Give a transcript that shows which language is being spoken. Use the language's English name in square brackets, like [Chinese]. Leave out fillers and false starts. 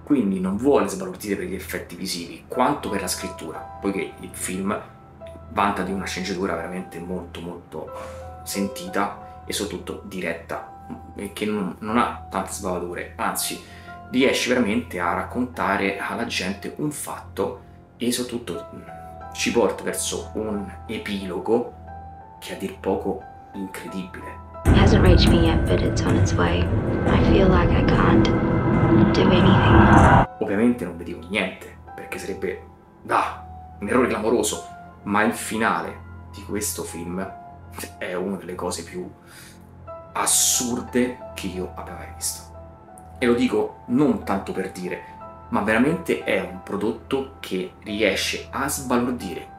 [Italian] Quindi non vuole sbalordire per gli effetti visivi, quanto per la scrittura, poiché il film vanta di una sceneggiatura veramente molto molto sentita e soprattutto diretta, e che non ha tante sbavature, anzi riesce veramente a raccontare alla gente un fatto e soprattutto ci porta verso un epilogo che a dir poco incredibile. [English] It hasn't reached me yet, but it's on its way. I feel like I can't do anything. [Italian] Ovviamente non vi dico niente, perché sarebbe un errore clamoroso, ma il finale di questo film è una delle cose più assurde che io abbia mai visto. E lo dico non tanto per dire, ma veramente è un prodotto che riesce a sbalordire.